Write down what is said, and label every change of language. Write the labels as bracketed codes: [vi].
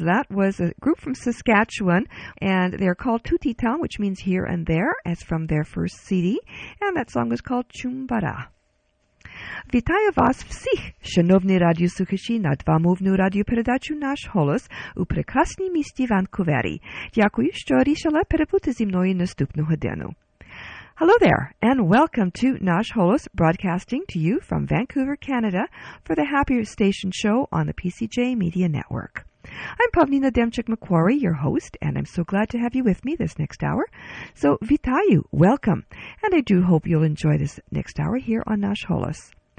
[en] Was a group from Saskatchewan, and they're called Tutitan, which means here and there, as from their first CD, and that song is called Chumbara. [uk] Вітаю вас всіх, шановні радіослухачі, на двомовну радіопередачу «Наш голос» у прекрасній місті Ванкувері. Дякую, що рішила перебути зі мною наступну годину. [en] Hello there, and welcome to Nash Holos, broadcasting to you from Vancouver, Canada, for the Happier Station show on the PCJ Media Network. I'm Pavlina Demchuk-McQuarrie, your host, and I'm so glad to have you with me this next hour. So, vitayu, welcome, and I do hope you'll enjoy this next hour here on Nash Holos.